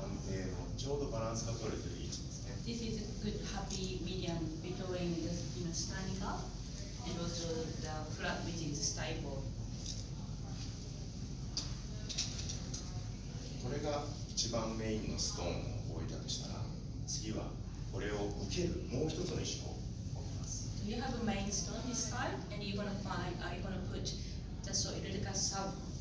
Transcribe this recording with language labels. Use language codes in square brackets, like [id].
[ja] 今この角度がちょうど緊張と安定のちょうどバランスが取れている位置ですね。 [en] This is a good happy medium between the, you know, standing up and also the flat, which is stable. [ja] これが一番メインのストーンを置いたとしたら、次はこれを受けるもう一つの石を置きます。 [en] You have a main stone this side and you're gonna find, are you gonna put the soil, like a sub.